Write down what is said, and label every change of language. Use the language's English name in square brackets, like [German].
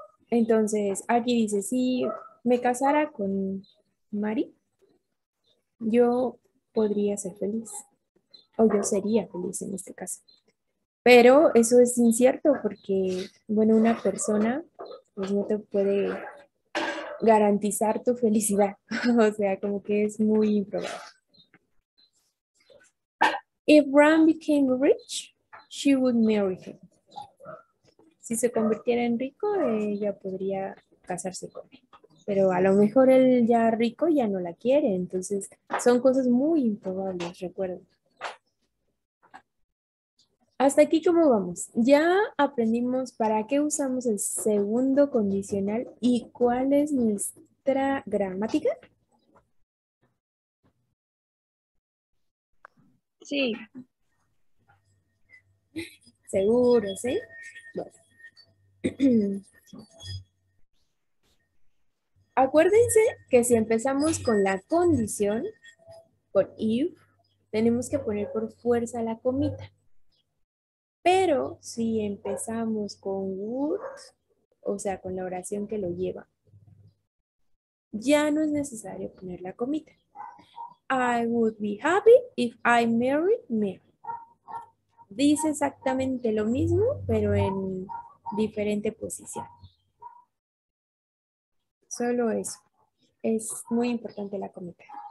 [Spanish] Entonces, aquí dice, si me casara con Mary, yo podría ser feliz. O yo sería feliz en este caso. Pero eso es incierto porque, bueno, una persona pues no te puede garantizar tu felicidad. O sea, como que es muy improbable. [English] If Ram became rich, she would marry him. [Spanish] Si se convirtiera en rico, ella podría casarse con él. Pero a lo mejor él ya rico ya no la quiere. Entonces, son cosas muy improbables, recuerden. Hasta aquí, ¿cómo vamos? Ya aprendimos para qué usamos el segundo condicional y cuál es nuestra gramática. Sí. Seguro, ¿sí? Bueno. Acuérdense que si empezamos con la condición, con if, tenemos que poner por fuerza la comita. Pero si empezamos con would, o sea, con la oración que lo lleva, ya no es necesario poner la comita. [English] I would be happy if I married Mary. [Spanish] Dice exactamente lo mismo, pero en diferente posición. Solo eso. Es muy importante la comita.